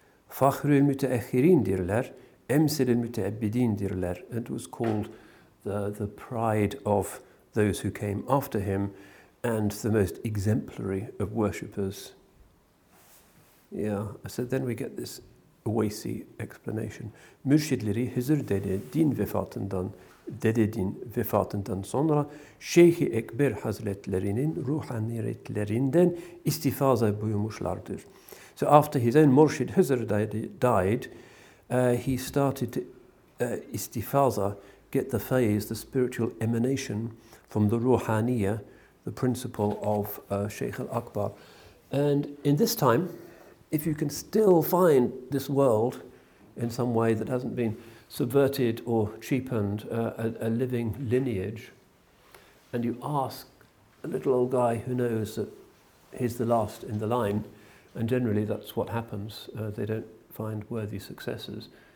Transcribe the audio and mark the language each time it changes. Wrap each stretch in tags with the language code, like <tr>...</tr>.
<tr>Fakhrül müteahhirin dirler, emsilül müteabbidin dirler.</tr> <en>It was called the pride of those who came after him and the most exemplary of worshippers. Yeah, so then we get this Uwaisi explanation.</en> <tr>Mürşidleri hızır dedi din vefatından dedi din vefatından sonra Şeyh-i Ekber Hazretlerinin ruhaniyetlerinden istifaza buyurmuşlardır.</tr> <en>So after his own Murshid Hızır died, he started istifaza, get the phase, the spiritual emanation from the ruhaniya, the principle of Sheikh al-Akbar. And in this time, if you can still find this world in some way that hasn't been subverted or cheapened, a living lineage, and you ask a little old guy who knows that he's the last in the line, and generally that's what happens, they don't find worthy successors.</en>